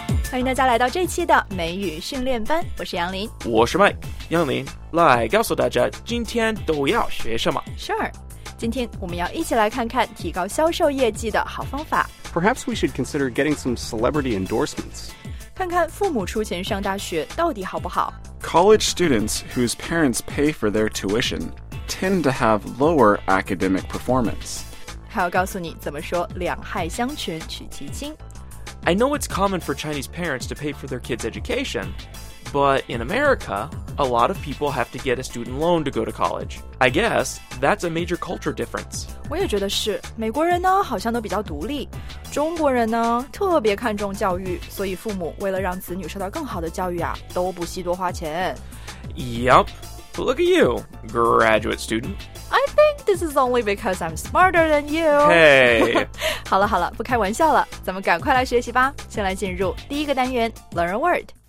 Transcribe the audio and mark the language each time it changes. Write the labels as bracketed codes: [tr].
[zh] 欢迎大家来到这期的美语训练班，我是杨林，我是 Mike。杨林，来告诉大家今天都要学什么。 Sure， 今天我们要一起来看看提高销售业绩的好方法。 [en] Perhaps we should consider getting some celebrity endorsements， [zh] 看看父母出钱上大学到底好不好。 [en] College students whose parents pay for their tuition tend to have lower academic performance。 [zh] 还要告诉你怎么说两害相权取其轻。 [en] I know it's common for Chinese parents to pay for their kids' education, but in America, a lot of people have to get a student loan to go to college. I guess that's a major culture difference. [zh] 我也觉得是，美国人呢好像都比较独立，中国人呢特别看重教育，所以父母为了让子女受到更好的教育啊，都不惜多花钱。 [en] Yep, but look at you, graduate student. I think this is only because I'm smarter than you. Hey. [zh] 好了好了，不开玩笑了，咱们赶快来学习吧。先来进入第一个单元 ,Learn a word.